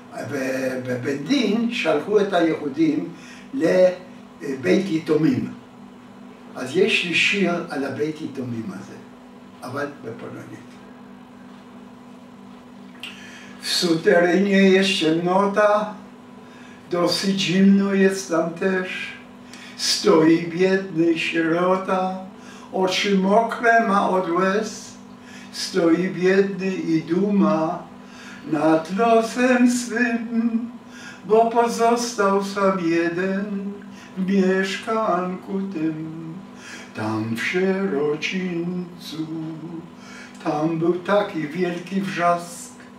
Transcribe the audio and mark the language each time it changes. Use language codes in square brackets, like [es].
[he] ובבית דין שלחו את היהודים לבית יתומים. אז יש לי שיר על הבית יתומים הזה, אבל בפולנית. סוטרניה יש שמנותה, דוסי ג'ימנו יצטמטש, [pl] Stoi biedny sierota, oczy mokre ma od łez. Stoi biedny i duma nad losem swym, bo pozostał sam jeden w mieszkanku tym. Tam w sierocińcu, tam był taki wielki wrzask.